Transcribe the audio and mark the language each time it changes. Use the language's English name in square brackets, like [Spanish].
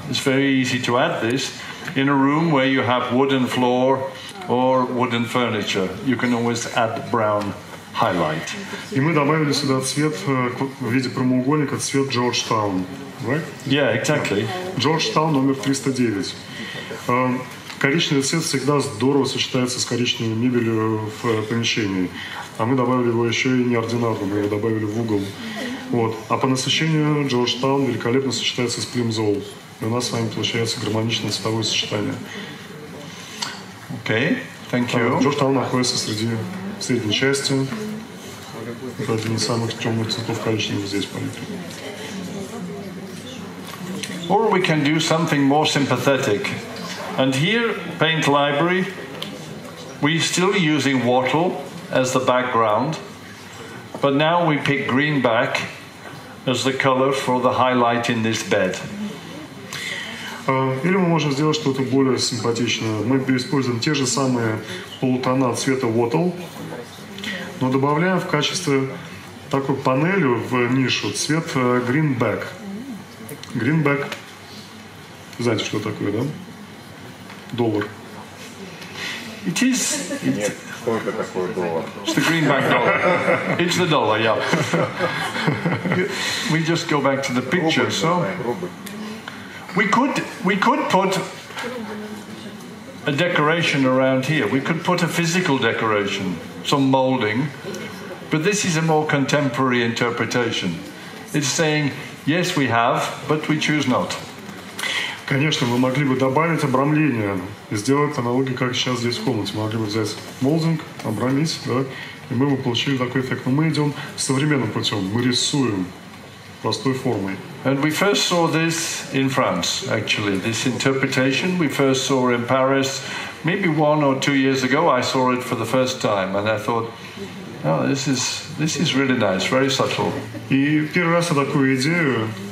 [English] It's very easy to add this in a room where you have wooden floor or wooden furniture. You can always add brown highlight. [Russian] И мы добавили сюда цвет в виде прямоугольника, цвет Джорджтаун, [English] right? Yeah, exactly. [Russian] Джорджтаун номер 309. Коричневый цвет всегда здорово сочетается с коричневой мебелью в помещении. А мы добавили его еще и неординарно, мы его добавили в угол. Вот. А по насыщению Джорджтаун великолепно сочетается с Плимзол. И у нас с вами получается гармоничное цветовое сочетание. [English] Окей, thank you. [Russian] Джорджтаун находится среди средней части. Это один из самых темных цветов коричневого здесь в палитре. [English] Or we can do something more sympathetic. And here, paint library, we're still using wattle as the background, but now we pick green back as the color for the highlight in this bed. [Russian] Или мы можем сделать что-то более симпатичное. Мы используем те же самые полутона цвета wattle, но добавляем в качестве такой панелью в нишу цвет green back. Green back. Знаете, что такое, да? Доллар. [English] It is. [Russian] Нет, что это такое доллар? [English] It's the greenback dollar. It's the dollar, yeah. We just go back to the picture, so we could put a decoration around here. We could put a physical decoration, some molding, but this is a more contemporary interpretation. It's saying yes, we have, but we choose not. [Russian] Конечно, мы могли бы добавить обрамление и сделать аналогию, как сейчас здесь в комнате. Мы могли бы взять молдинг, обрамить, да, и мы бы получили такой эффект. Но мы идем современным путем, мы рисуем простой формой. [English] And we first saw this in France, actually, this interpretation. We first saw in Paris, maybe one or two years ago, I saw it for the first time, and I thought, oh, this is really nice, very subtle. [Russian] И первый раз я такую идею...